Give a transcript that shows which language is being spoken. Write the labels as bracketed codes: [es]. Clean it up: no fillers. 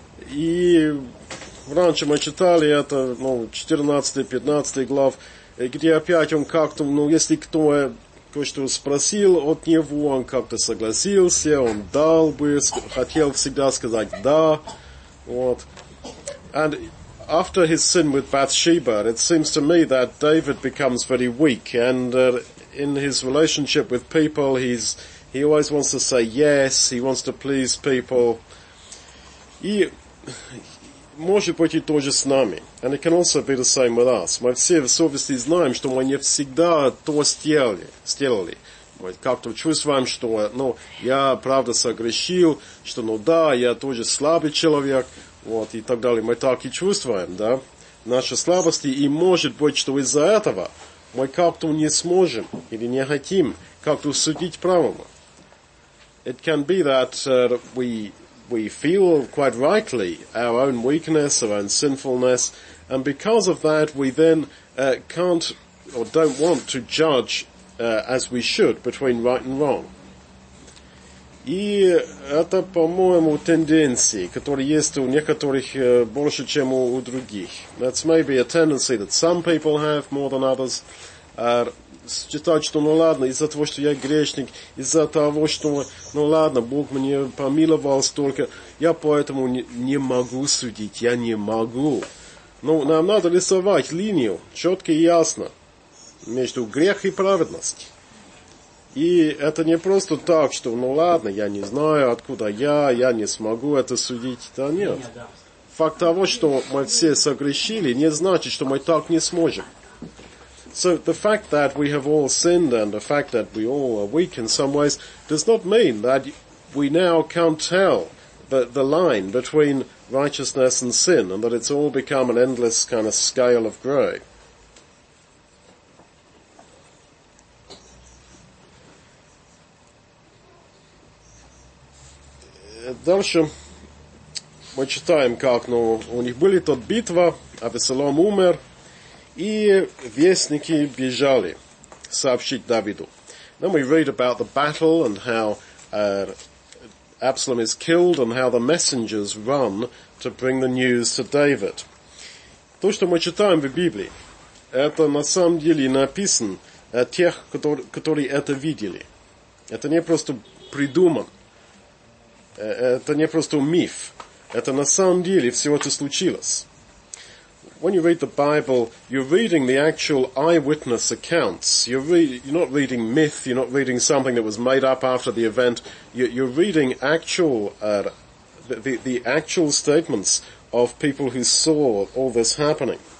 [ru] И раньше мы читали это, ну, 14-15 глав, где опять он как-то, ну, если кто... Кое-что спросил от него, он как-то согласился, он дал бы, хотел всегда сказать «да». Вот. [en] And after his sin with Bathsheba, it seems to me that David becomes very weak, and in his relationship with people, he always wants to say «yes», he wants to please people. [ru] И может быть и тоже с нами. [en] And it can also be the same with us. [ru] Мы все в совести знаем, что мы не всегда то сделали. Мы как-то чувствуем, что, ну, я правда согрешил, что, ну да, я тоже слабый человек, вот, и так далее. Мы так и чувствуем, да, наши слабости. И может быть, что из-за этого мы как-то не сможем или не хотим как-то судить правому. [en] It can be that we feel quite rightly our own weakness, our own sinfulness, and because of that we then can't or don't want to judge as we should between right and wrong. [ru] И это, по-моему, тенденция, которая есть у некоторых больше, чем у других. [en] That's maybe a tendency that some people have more than others. [ru] Считать, что, ну ладно, из-за того, что я грешник, из-за того, что, ну ладно, Бог мне помиловал столько, я поэтому не могу судить, я не могу. Ну, нам надо рисовать линию, четко и ясно, между грех и праведность. И это не просто так, что, ну ладно, я не знаю, откуда я не смогу это судить. Да нет. Факт того, что мы все согрешили, не значит, что мы так не сможем. [en] So the fact that we have all sinned and the fact that we all are weak in some ways does not mean that we now can't tell the line between righteousness and sin and that it's all become an endless kind of scale of grey. [ru] Дальше мы читаем, как, ну, у них были тот битва, Авессалом умер. И вестники бежали сообщить Давиду. [en] Then we read about the battle and how Absalom is killed and how the messengers run to bring the news to David. [ru] То, что мы читаем в Библии, это на самом деле написано тех, которые это видели. Это не просто придуман. Это не просто миф. Это на самом деле все это случилось. [en] When you read the Bible, you're reading the actual eyewitness accounts. You're not reading myth, you're not reading something that was made up after the event. You're reading actual, the actual statements of people who saw all this happening.